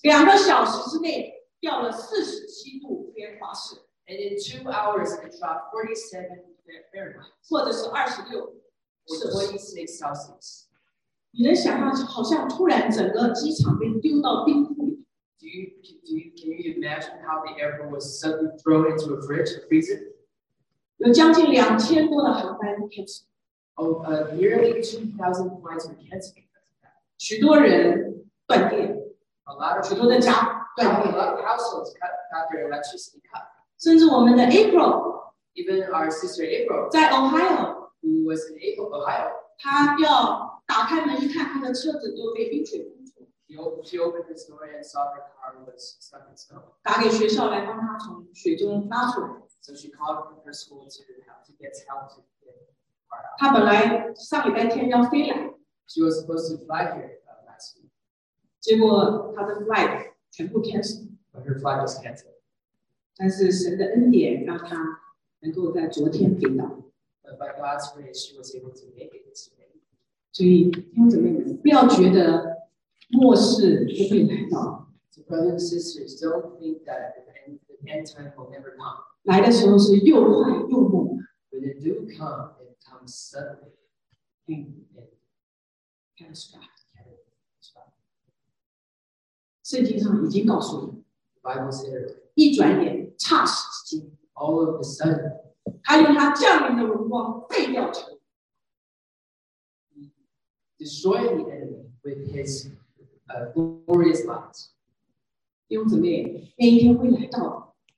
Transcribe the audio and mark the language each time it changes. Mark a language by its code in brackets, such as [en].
[zh] 两个小时之内掉了四十七度偏华氏。 [en] And in 2 hours, it dropped 47 Fahrenheit. [zh] 或者是26 [en] Celsius. [zh] 你能想象好像突然整个机场被丢到冰库里 [en] Can you imagine how the airport was suddenly thrown into a fridge, a freezer? [zh] 有将近2000多的航班 canceled. [en] Nearly 2,000 flights were canceled because of that. [zh] 许多人断电 [en] A lot of [zh] 许多的家断电 [en] A lot of households got their electricity cut. [zh] 甚至我们的 April， [en] even our sister April， [zh] 在 Ohio， [en] who was in Ohio， [zh] 她要打开门一看，她的车子都被冰雪封住。 [en] She opened the door and saw her car was stuck in snow。 [zh] 打给学校来帮她从雪中拉出来。 [en] So she called her school to help to get help to get her car out。 [zh] 她本来上礼拜天要飞来。 [en] She was supposed to fly here last week。 [zh] 结果她的 flight 全部 canceled。 [en] But her flight was canceled。 [zh] 但是神的恩典让他能够在昨天飞到。 [en] But by God's grace, she was able to make it this way. [zh] 所以弟兄姊妹们，不要觉得末世不会来到。 [en] So brothers and sisters, don't think that the end time will never come. [zh] 来的时候是又快又猛。 [en] When it do come, it comes suddenly. Catastrophic. [zh] 圣经上已经告诉你。 [en] The Bible said it. [zh] 一转眼，差十几 [en] All of a sudden, [zh] 他用他降临的荣光废掉城。 [en] He destroyed the enemy with his glorious light. [zh] 弟兄姊妹，那一天会来到。